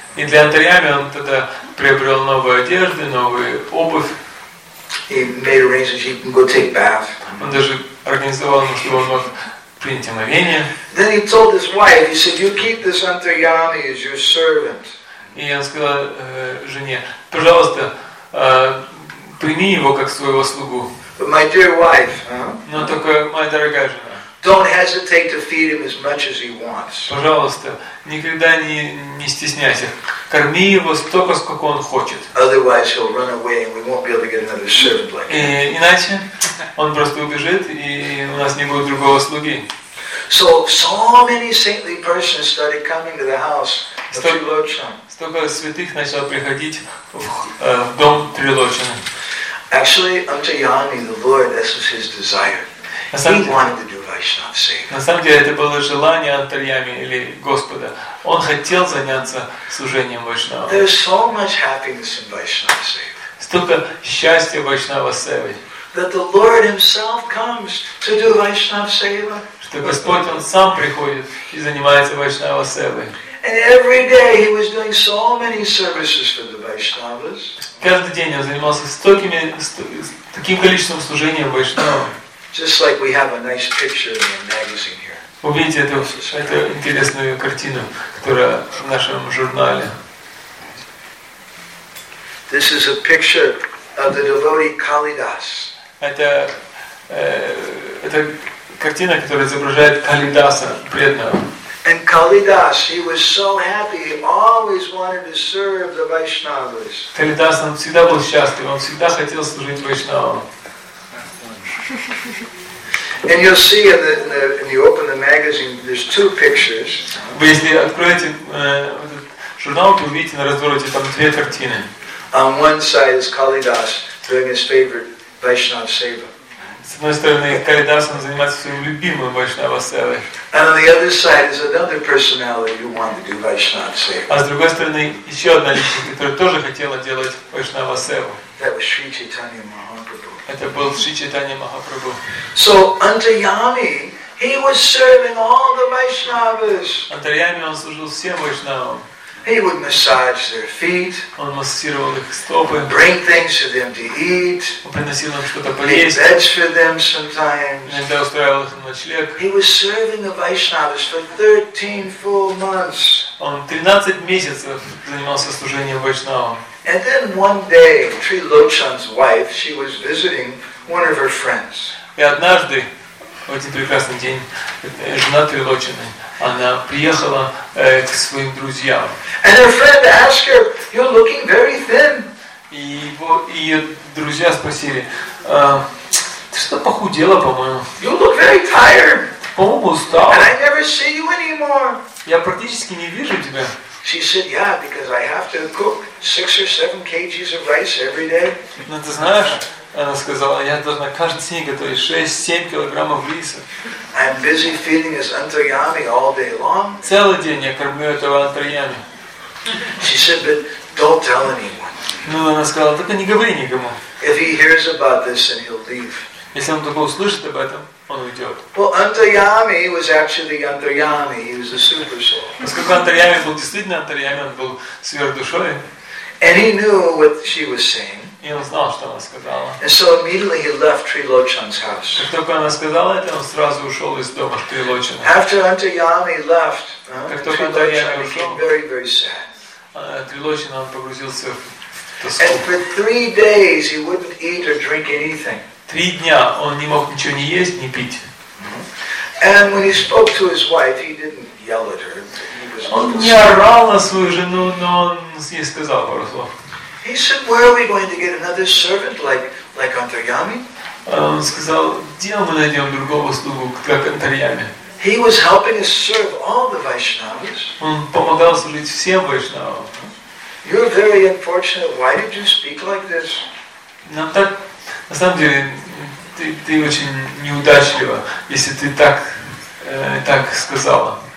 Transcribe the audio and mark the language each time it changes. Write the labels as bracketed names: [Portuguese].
[Russian] И для Антарями он тогда приобрел новые одежды, новые обувь. Он даже организовал ему, что он мог принять омовение. [English] Then he told his wife, he said, you keep this Antaryami as your servant. [Russian] И он сказал жене, пожалуйста, прими его как своего слугу. [English] But my dear wife, [Russian] но только моя дорогая жена. [English] Don't hesitate to feed him as much as he wants. [Russian] Пожалуйста, никогда не стесняйся. Корми его столько, сколько он хочет. [English] Otherwise he'll run away and we won't be able to get another servant like him. [Russian] Иначе он просто убежит, и у нас не будет другого слуги. [English] So many saintly persons started coming to the house of Trilochana. [Russian] Столько святых начало приходить в дом Трилочана. [English] Actually, Antaryami, the Lord, this was his desire. He wanted to do Vaishnava Seva. [Russian] На самом деле, это было желание Антарьями или Господа. Он хотел заняться служением Вайшнава. [English] There's so much happiness in Vaishnava Seva. [Russian] Столько счастья в Вайшнава Севе. [English] That the Lord himself comes to do Vaishnava Seva. [Russian] Что Господь, Он сам приходит и занимается Вайшнава Севой. [English] And every day he was doing so many services for the Vaishnavas. [Russian] Каждый день он занимался столькими, таким количеством служения Вайшнавам. [English] Just like we have a nice picture in the magazine here. [Russian] Увидите эту интересную картину, которая в нашем журнале. [English] This is a picture of the devotee Kalidas. [Russian] Это картина, которая изображает Калидаса, преданного. [English] And Kalidas, he was so happy, he always wanted to serve the Vaishnavas. [Russian] Kalidas, он всегда был счастлив, он всегда хотел служить Вайшнавам. [English] And you'll see when you open the magazine, there's two pictures. [Russian] Вы если откроете журнал, то увидите на развороте там две картины. [English] On one side is Kalidas doing his favorite Vaishnava seva. [Russian] С одной стороны, Калидас занимается своим любимым Вайшнава севой. [English] And on the other side is another personality who wanted to do Vaishnava seva. [Russian] А с другой стороны, еще одна личность, которая тоже хотела делать Вайшнава севу. [English] That was Sri Chaitanya Mahaprabhu. [Russian] Это был Шри Чайтанья Махапрабху. [English] So Antaryami, he was serving all the Vaishnavas. [Russian] Антарьями он служил всем Вайшнавам. [English] He would massage their feet. [Russian] Он массировал их стопы. [English] Bring things for them to eat. [Russian] Он приносил им что-то поесть. [English] Make beds for them sometimes. [Russian] Иногда устраивал их на ночлег. [English] He was serving the Vaishnavas for 13 full months. [Russian] Он 13 месяцев занимался служением Вайшнавам. [English] And then one day, Trilochan's wife, she was visiting one of her friends. [Russian] И однажды, в один прекрасный день, жена Трилочаны, она приехала к своим друзьям. [English] And her friend asked her, "You're looking very thin." [Russian] И ее друзья спросили, "Ты что-то похудела, по-моему?" [English] "You look very tired." [Russian] "По-моему, устал." [English] "And I never see you anymore." [Russian] "Я практически не вижу тебя." [English] She said, "Yeah, because I have to cook 6 or 7 kgs of rice every day." [Russian] Ну ты знаешь, она сказала, я должна каждый день готовить 6-7 килограммов риса. [English] I'm busy feeding this Antaryami all day long. [Russian] Целый день я кормлю этого Антарями. [English] She said, "But don't tell anyone." [Russian] Ну она сказала, только не говори никому. [English] If he hears about this, then he'll leave. [Russian] Если он только услышит об этом, он уйдет. [English] Well, Antaryami was actually Antaryami. He was a super soul. [Russian] Поскольку Антарями был действительно Антарями, он был сверхдушой. [English] And he knew what she was saying. [Russian] И он знал, что она сказала. [English] And so immediately he left Trilochan's house. [Russian] Как только она сказала это, он сразу ушел из дома Трилочана. [English] After Antaryami left, [Russian] как только Антарями ушел, [English] very, very sad. [Russian] Трилочан он погрузился в тоску. [English] And for 3 days he wouldn't eat or drink anything. [Russian] 3 дня он не мог ничего не есть, не пить. [English] And when he spoke to his wife, he didn't yell at her. [Russian] Он не орал на свою жену, но он ей сказал пару слов. [English] He said, "Where are we going to get another servant like Antaryami?" [Russian] Он сказал, где мы найдем другого слугу, как Антарями? [English] He was helping us serve all the Vaishnavas. [Russian] Он помогал служить всем Вайшнавам. [English] You're very unfortunate. Why did you speak like this? [Russian] Нам так. На самом деле, ты очень неудачлива, если ты так сказала.